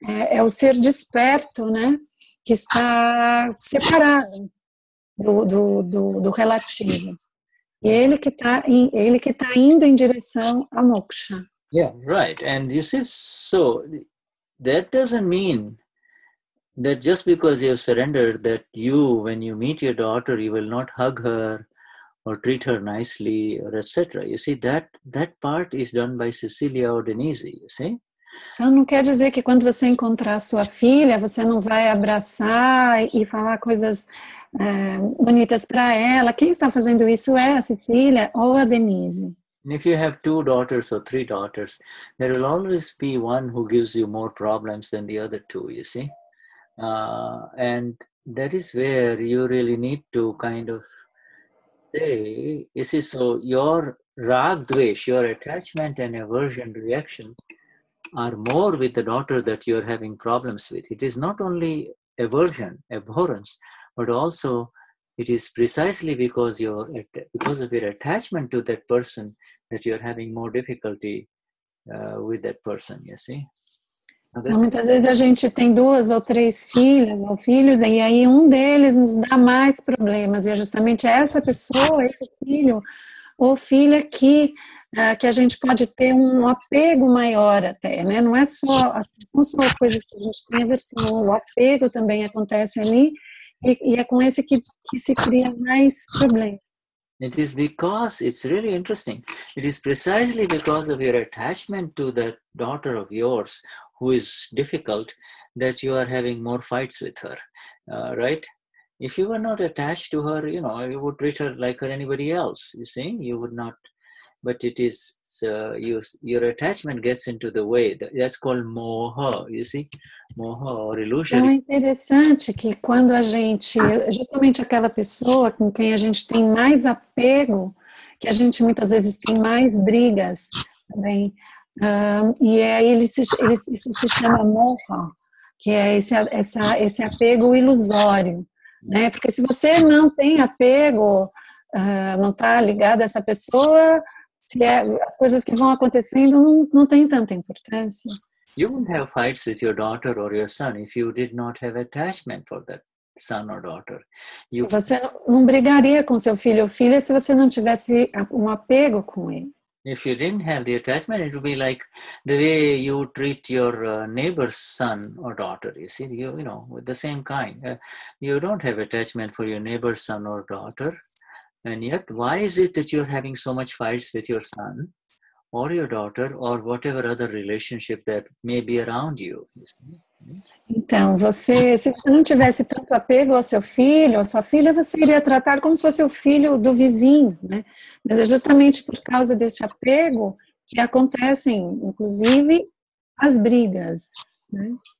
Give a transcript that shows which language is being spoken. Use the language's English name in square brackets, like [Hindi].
[Portuguese] É o ser desperto, né, que está separado do relativo. E ele que está indo em direção à moksha. [English] Yeah, right. And you see, so that doesn't mean that just because you have surrendered, that you, when you meet your daughter, you will not hug her or treat her nicely or etc. You see, that part is done by Cecilia or Denise, you see? [Portuguese] Então, não quer dizer que quando você encontrar sua filha, você não vai abraçar e falar coisas bonitas para ela. Quem está fazendo isso é a Cecilia ou a Denise? [English] And if you have two daughters or three daughters, there will always be one who gives you more problems than the other two, you see? And that is where you really need to kind of say, you see, so your rag dvesh, your attachment and aversion reaction are more with the daughter that you are having problems with. It is not only aversion, abhorrence, but also it is precisely because of your attachment to that person that you are having more difficulty with that person, you see. [Portuguese] Então, muitas vezes a gente tem duas ou três filhas ou filhos, e aí um deles nos dá mais problemas. E é justamente essa pessoa, esse filho ou filha que a gente pode ter um apego maior até, né? Não é só, não só as coisas que a gente tem aversão, o apego também acontece ali, e é com esse que se cria mais problemas. [English] It is because, it's really interesting, it is precisely because of your attachment to that daughter of yours, who is difficult, that you are having more fights with her, right? If you were not attached to her, you know, you would treat her like her anybody else, you see? You would not, but it is, your attachment gets into the way. That's called moha, you see? Moha or illusion. [Portuguese] Então é interessante que quando a gente, justamente aquela pessoa com quem a gente tem mais apego, que a gente muitas vezes tem mais brigas também, isso se chama moha, que é esse apego ilusório, né? Porque se você não tem apego, não está ligado a essa pessoa, as coisas que vão acontecendo não têm tanta importância. [English] You wouldn't have fights with your daughter or your son if you did not have attachment for that son or daughter. [Portuguese] Você não brigaria com seu filho ou filha se você não tivesse um apego com ele. [English] If you didn't have the attachment, it would be like the way you treat your neighbor's son or daughter, you see, you know, with the same kind. You don't have attachment for your neighbor's son or daughter, and yet why is it that you're having so much fights with your son or your daughter or whatever other relationship that may be around you? [Portuguese] Então, se você não tivesse tanto apego ao seu filho ou sua filha, você iria tratar como se fosse o filho do vizinho, né? Mas é justamente por causa desse apego que acontecem, inclusive, as brigas, né?